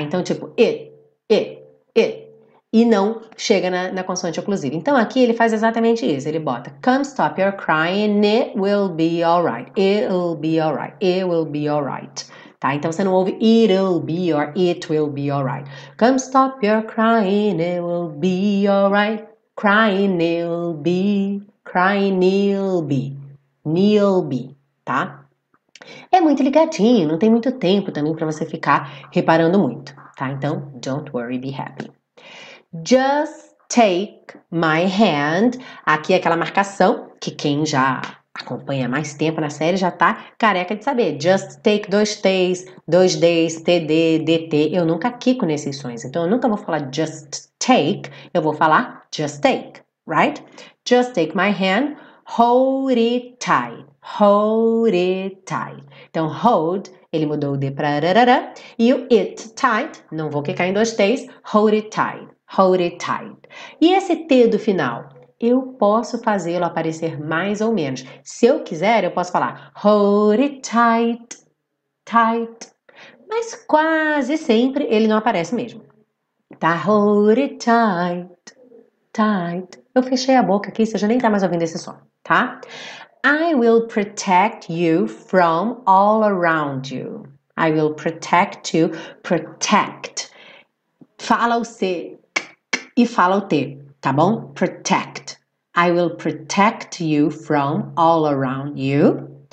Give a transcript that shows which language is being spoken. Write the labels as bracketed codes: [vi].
[pt] Então, tipo, it, it, it. E não chega na consoante oclusiva. Então, aqui ele faz exatamente isso. Ele bota, [en] come stop your crying, it will be alright. It'll be alright. It will be alright. Tá? [pt] Então, você não ouve, [en] it'll be or it will be alright. Come stop your crying, it will be alright. Crying, it'll be. Crying, it'll be. It'll be. Tá? [pt] É muito ligadinho. Não tem muito tempo também pra você ficar reparando muito. Tá? [en] Então, don't worry, be happy. Just take my hand. [pt] Aqui é aquela marcação que quem já acompanha mais tempo na série já tá careca de saber. Just take, dois T's, dois D's, TD, DT. Eu nunca quico nesses sons, então eu nunca vou falar just take. Eu vou falar just take, right? [en] Just take my hand, hold it tight, hold it tight. [pt] Então hold, ele mudou o D pra rarara. E o it tight, não vou quicar em dois T's, [en] hold it tight. Hold it tight. [pt] E esse T do final? Eu posso fazê-lo aparecer mais ou menos. Se eu quiser, eu posso falar [en] hold it tight, tight. [pt] Mas quase sempre ele não aparece mesmo. Tá? [en] Hold it tight, tight. [pt] Eu fechei a boca aqui, você já nem tá mais ouvindo esse som, tá? [en] I will protect you from all around you. I will protect you, protect. [pt] Fala o C. E fala o T, tá bom? [en] Protect. I will protect you from all around you.